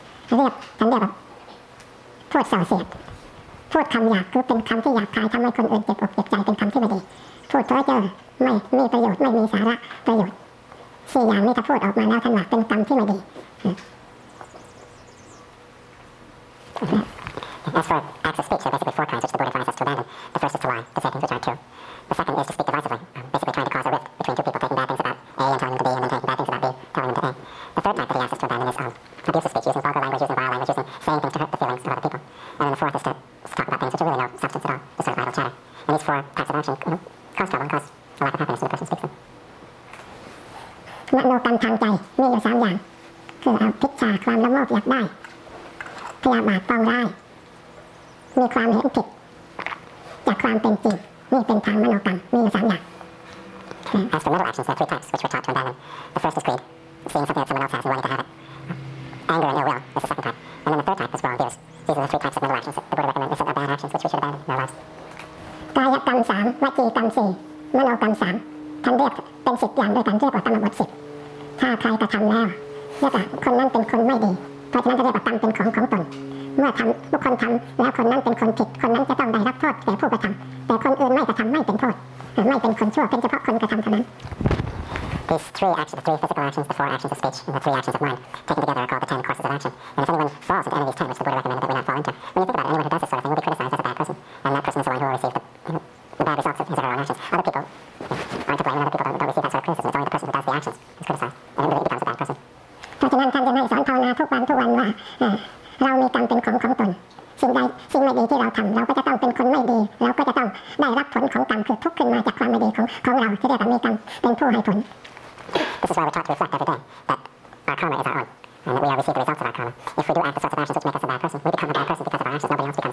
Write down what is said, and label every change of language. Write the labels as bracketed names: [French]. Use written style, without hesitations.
[Thai] เรียกฉันเรียกแบบพูดส่อเสียดพูดคำหยาบคือเป็นคำที่หยาบคายทำให้คนอื่นเจ็บอกเจ็บใจเป็นคำที่ไม่ดีพูดเพ้อเจ้อไม่มีประโยชน์ไม่มีสาระประโยชน์สี่อย่างนี้ถ้าพูดออกมาแล้วท่านว่าเป็นคำที่ไม่ดี [English] As for acts of speech, there are basically four kinds which the Buddha advises us to abandon. The first is to lie, the second which aren't true. The second is to speak divisively, basically trying to cause a rift between two people, taking bad things about A and telling them to B, and then taking bad things about B, telling them to A. The third type that he asks us to abandon is abusive speech, using vulgar language, using vile language, using saying things to hurt the feelings of other people. And then the fourth is to talk about things which are really no substance at all, just sort of idle chatter. And these four types of action cause trouble and cause a lack of happiness when the person speaks them. Manokan Tangjai, me yo sam yang. Kyo a pitcha, kwam la mok yak dai. Kya ma pong rai. [Thai] มีความเห็นผิดจากความเป็นจริงนี่เป็นทางมโนกรรมมีอยู่สามอย่าง [English] As for middle actions, there are three types which were taught to abandon. The first is greed, seeing something that someone else has and wanting to have it. Anger and ill will is the second type. And then the third type is wrong views. These are the three types of middle actions that the Buddha recommend. These are bad actions which we should abandon in our lives. [Thai] กายกรรมสามวจีกรรมสี่มโนกรรมสามท่านเรียกเป็นสิบอย่างด้วยกันเรียกว่าตัณหาบทสิบถ้าใครกระทำแล้วเรียกว่าคนนั้นเป็นคนไม่ดีเพราะฉะนั้นจะเรียกว่าตัณเป็นของตนเมื่อทำบุคคลทำแล้วคนนั้นเป็นคนผิดคนนั้นจะต้องได้รับโทษแต่ผู้กระทำแต่คนอื่นไม่กระทำไม่เป็นโทษไม่เป็นคนชั่วเป็นเฉพาะคนกระทำเท่านั้น [English] These three actions, the three physical actions, the four actions of speech, and the three actions of mind, taken together are called the 10 courses of action. And if anyone falls into any of these 10, which the Buddha recommended that we not fall into, when you think about it, anyone who does this sort of thing will be criticized as a bad person, and that person is the one who will receive the bad results of his or her own actions. Other people aren't to blame, and other people don't receive that sort of criticism. It's only the person who does the actions is criticized, and it becomes a bad person. [Thai] เพราะฉะนั้นท่านจะให้สอนภาวนาทุกวันว่าเรามีกรรมเป็นของตนสิ่งใดสิ่งไม่ดีที่เราทำเราก็จะต้องเป็นคนไม่ดีเราก็จะต้องได้รับผลของกรรมคือทุกข์ขึ้นมาจากความไม่ดีของเราที่เรียกว่ามีกรรมเป็นผู้ให้ผล [English] This is why we talk to reflect every day that our karma is our own and that we are receiving the results of our karma. If we do act the sorts of actions which make us a bad person, we become a bad person because of our actions. Nobody else